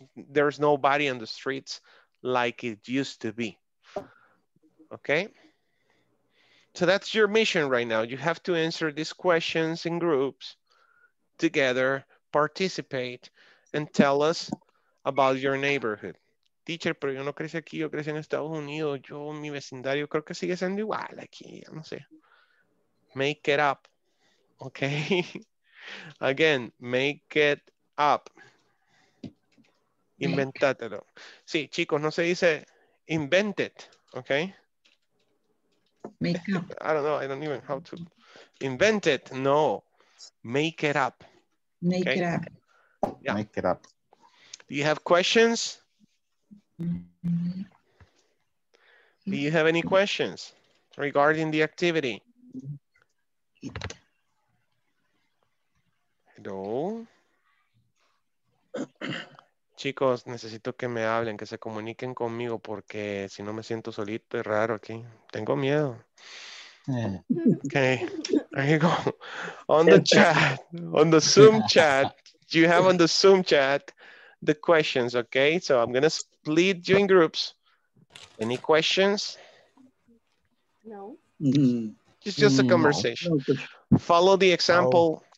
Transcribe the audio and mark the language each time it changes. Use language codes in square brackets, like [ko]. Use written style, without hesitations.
[en] There's nobody on the streets like it used to be, okay? So that's your mission right now. You have to answer these questions in groups together, participate, and tell us about your neighborhood. [es] Teacher, pero yo no crecí aquí, yo crecí en Estados Unidos. Yo, mi vecindario, creo que sigue siendo igual aquí, yo no sé. [en] Make it up, okay? Again, make it up. Inventatelo. [es] Sí, chicos, no se dice [en] invent it, [es] okay? [en] Make up. I don't know. I don't even know how to invent it. No, make it up. Make it up. Yeah. Make it up. Do you have questions? Mm-hmm. Do you have any questions regarding the activity? Hello? [es] Chicos, necesito que me hablen, que se comuniquen conmigo, porque si no me siento solito y raro aquí. Tengo miedo. [en] Okay, there you go. On the chat, on the Zoom chat, you have on the Zoom chat the questions, okay? So I'm going to split you in groups. Any questions? No. It's just a conversation. Follow the example.